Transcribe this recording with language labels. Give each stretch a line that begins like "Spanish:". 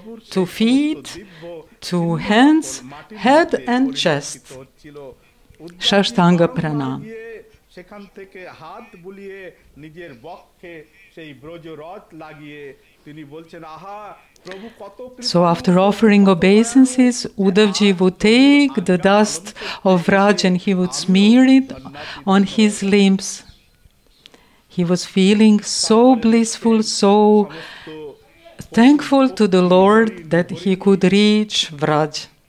English: To feet, to hands, head and chest.
Bangla: Shashtanga Pranam. সেখান থেকে হাত বুলিয়ে নিজের বক্ষে সেই ব্রজরথ লাগিয়ে তিনি বলছেন আহা প্রভু কত
English: So after offering obeisances Uddhavji would take the dust of Vraj and he would smear it on his limbs he was feeling so blissful so thankful to the Lord that he could reach Vraj.